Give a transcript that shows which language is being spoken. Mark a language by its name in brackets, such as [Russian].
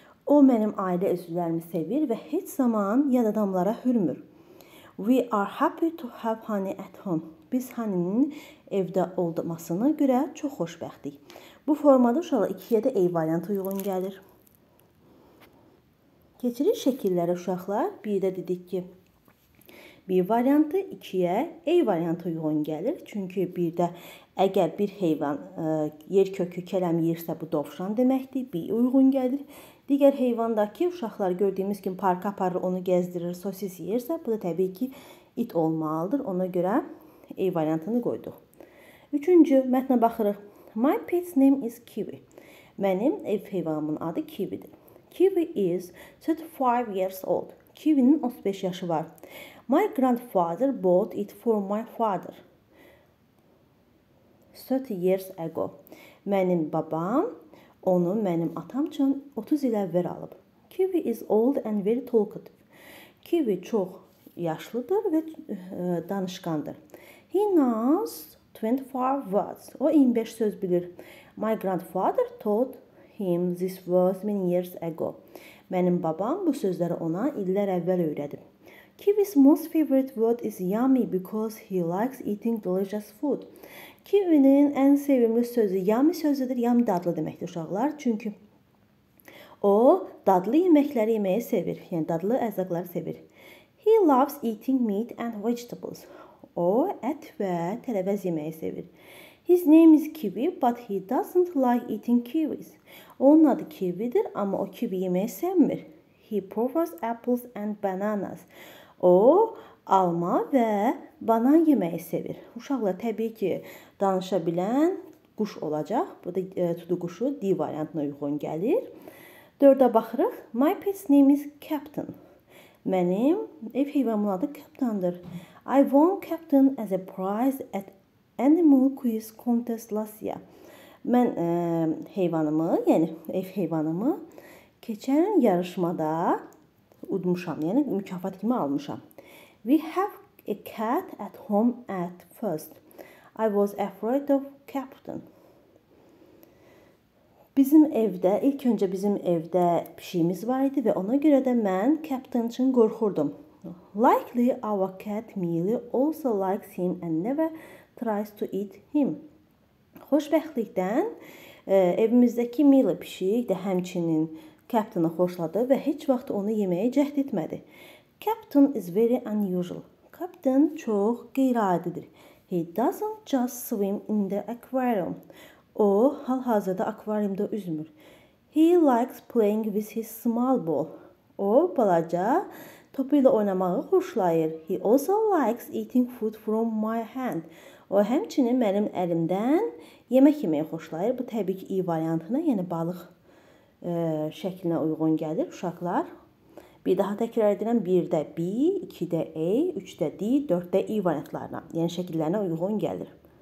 [Azerbaijani] O mənim ailə üzvlərimi sevir və heç zaman yad adamlara hürmür. [English] We are happy to have Honey at home. [Azerbaijani] Biz Honey'nin evdə olmasına görə çox xoşbəxtik. Bu formada uşaqla ikiyə də A variantı uyğun gəlir. Keçirik şəkilləri uşaqlar. Bir də dedik ki, B variantı 2-yə A variantı uyğun gəlir. Çünki bir də əgər bir heyvan yer kökü kələm yeyirsə bu dovşan deməkdir. B uyğun gəlir. Digər heyvandakı uşaqlar gördüyümüz kimi parka aparır, onu gəzdirir, sosis yeyirsə bu da təbii ki it olmalıdır. Ona görə A variantını qoyduq. Üçüncü mətnə baxırıq. [English] My pet's name is Kiwi. [Azerbaijani] Mənim ev heyvanımın adı Kiwi'dir. [English] Kiwi is 35 years old. [Azerbaijani] Kiwi'nin 35 yaşı var. [English] My grandfather bought it for my father 30 years ago. [Azerbaijani] Mənim babam onu mənim atam üçün 30 il əvvəl alıb. [English] Kiwi is old and very talkative. [Azerbaijani] Kiwi çox yaşlıdır və danışqandır. [English] He knows 25 words. [Azerbaijani] O 25 söz bilir. [English] My grandfather taught him this words many years ago. [Azerbaijani] Mənim babam bu sözləri ona illər əvvəl öyrədib. [English] Kiwi's most favorite word is yummy because he likes eating delicious food. [Azerbaijani] Kiwi'nin ən sevimli sözü yummy sözüdür. Yummy dadlı deməkdir uşaqlar. Çünki o dadlı yeməkləri yeməyi sevir. Yəni dadlı ərzaqları sevir. [English] He loves eating meat and vegetables. [Azerbaijani] O ət və tərəvəz yeməyi sevir. [English] His name is Kiwi but he doesn't like eating kiwis. [Azerbaijani] Onun adı Kiwi'dir amma o kiwi yeməyi sevmir. [English] He prefers apples and bananas. [Azerbaijani] O, alma və banan yeməyi sevir. Uşaqla təbii ki, danışa bilən quş olacaq. Bu da tutuquşu D variantına uyğun gəlir. Dördə baxırıq. [English] My pet's name is Captain. [Azerbaijani] Mənim ev heyvanımın adı Captain'dır. [English] I won Captain as a prize at Animal Quiz Contest last year. [Azerbaijani] Mən heyvanımı, yəni ev heyvanımı keçən yarışmada udmuşam, yəni mükafat kimi almışam. [English] We have a cat at home at first. I was afraid of Captain. [Azerbaijani] İlk öncə bizim evdə pişiyimiz var idi və ona görə də mən Captain üçün qorxurdum. [English] Likely our cat Millie also likes him and never tries to eat him. [Azerbaijani] Xoşbəxtlikdən evimizdəki Millie pişiyi də həmçinin Captain'ı xoşladı və heç vaxt onu yeməyə cəhd etmədi. [English] Captain is very unusual. [Azerbaijani] Captain çox qeyri-adidir. [English] He doesn't just swim in the aquarium. [Azerbaijani] O, hal-hazırda akvariumda üzmür. [English] He likes playing with his small ball. [Azerbaijani] O, balaca topu ilə oynamağı xoşlayır. [English] He also likes eating food from my hand. [Azerbaijani] O, həmçinin mənim əlimdən yemək yeməyi xoşlayır. Bu, təbii ki, iyi variantına, yəni balıq şəklinə uyğun gəlir uşaqlar. Bir daha təkrar edirəm. 1-də B, 2-də A, 3-də D, 4-də I variantlarına, yəni şəkillərinə uyğun gəlir.